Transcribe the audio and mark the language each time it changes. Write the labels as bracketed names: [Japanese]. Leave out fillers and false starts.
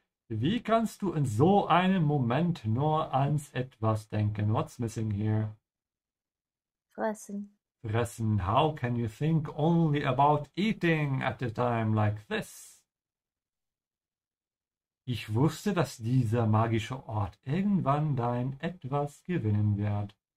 [German] Wie kannst du in so einem Moment nur ans etwas denken? [English] What's missing here? [German] Fressen. Fressen. [English] How can you think only about eating at a time like this? [German] Ich wusste, dass dieser magische Ort irgendwann dein Etwas gewinnen wird.